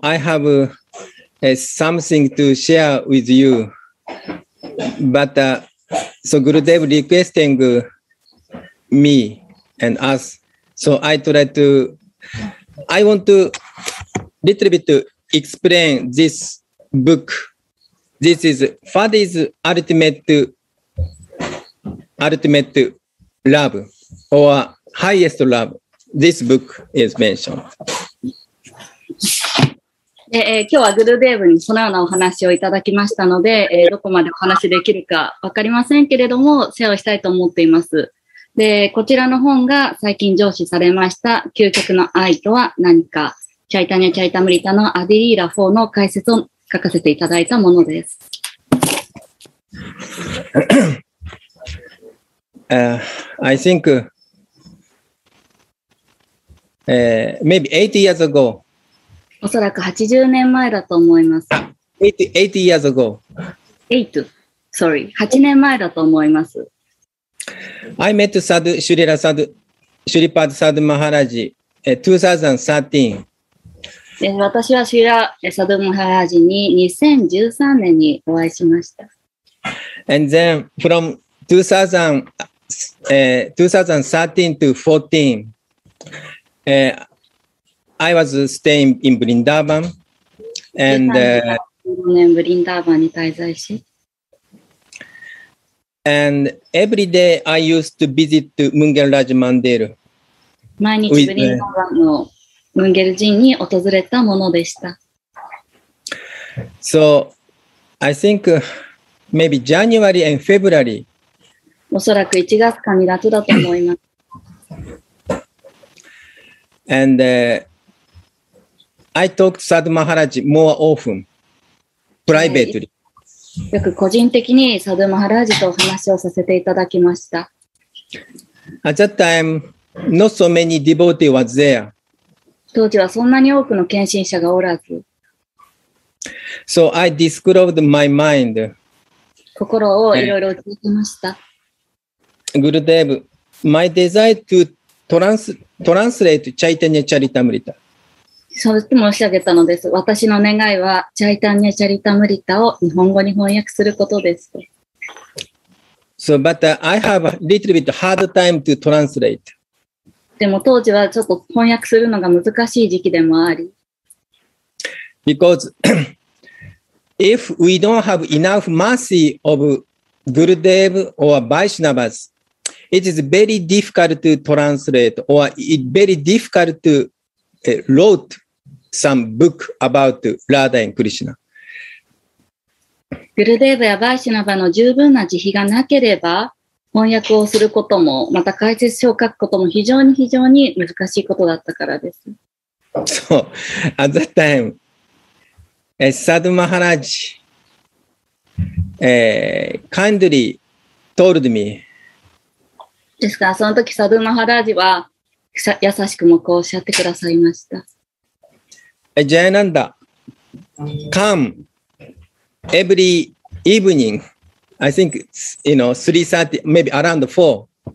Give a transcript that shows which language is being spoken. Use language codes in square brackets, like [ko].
[en] I haveSomething to share with you, but so Gurudev requesting me and us, so I try to, I want to little bit to explain this book. This is what is ultimate love or highest love. This book is mentioned. [ja] 今日はグルデーブにそのようなお話をいただきましたので、どこまでお話できるか分かりませんけれども、シェアをしたいと思っています。で、こちらの本が最近上司されました、究極の愛とは何か、チャイタニャ・チャイタムリタのアディリーラ4の解説を書かせていただいたものです。 [en] I think, maybe 80 years ago, [ja] おそらく80年前だと思います。 [en] 80 years ago. [ja] 8, sorry, 8年前だと思います。 [en] I met Sadhu Shurila Sadhu, Shuripad Sadhu Maharaj, 2013. [ja] 私はシュリラ・サドゥ・マハラジに2013年にお会いしました。 [en] And then from 2013 to 2014,I was staying in Vrindavan and every day I used to visit Mungel Raj Mandir. [ja] 毎日 Vrindavan のムンゲル寺に訪れたものでした。 [en] So I think maybe January and February. [ja] おそらく1月か2月だと思います。 [en] AndI talked to Sadhu Maharaj more often, privately. [ja] よく個人的にサドゥ・マハラージとお話をさせていただきました。 [en] At that time, not so many devotees was there. [ja] 当時はそんなに多くの献身者がおらず。 [en] So I described my mind. [ja] 心をいろいろ聞いてました。 [en] Gurudev, my desire to translate Chaitanya Charitamrita. [ja] そう申し上げたのです。私の願いは、チャイタンニャチャリタムリタを日本語に翻訳することです。 [en] So, but I have a little bit hard time to translate. [ja] でも当時はちょっと翻訳するのが難しい時期でもあり。 [en] Because if we don't have enough mercy of Gurudev or Vaishnavas, it is very difficult to translate or it very difficult to wrote some book about Radha and Krishna. [ja] グルデーヴやバイシナバの十分な慈悲がなければ翻訳をすることもまた解説書を書くことも非常に非常に難しいことだったからです。 [en] So, at that time, Sadhu Maharaj kindly told me. [ja] ですからその時サドゥマハラージは優しくもこうおっしゃってくださいました。 [en] ジャイナンダ、come every evening, I think, you know, 3:30, maybe around 4.